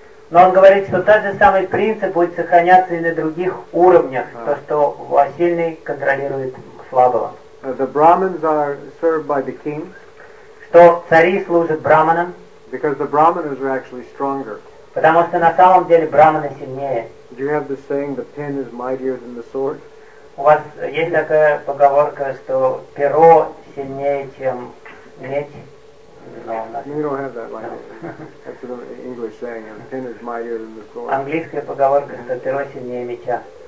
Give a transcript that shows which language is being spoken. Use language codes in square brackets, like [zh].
[ru] Но он говорит, что тот же самый принцип будет сохраняться и на других уровнях, то, что сильный контролирует слабого. [en] The Brahmins are served by the kings. [ru] Что цари служат Брахманам. [en] Because the Brahmins are actually stronger. [ru] Потому что на самом деле Брахманы сильнее. [en] Do you have the saying, the pen is mightier than the sword? [ru] У вас есть такая поговорка, что перо сильнее, чем меч? [en] No, you don't have that language. No. That's an English saying, and pen is mightier than the sword. [ru] Английская поговорка, что перо сильнее меча.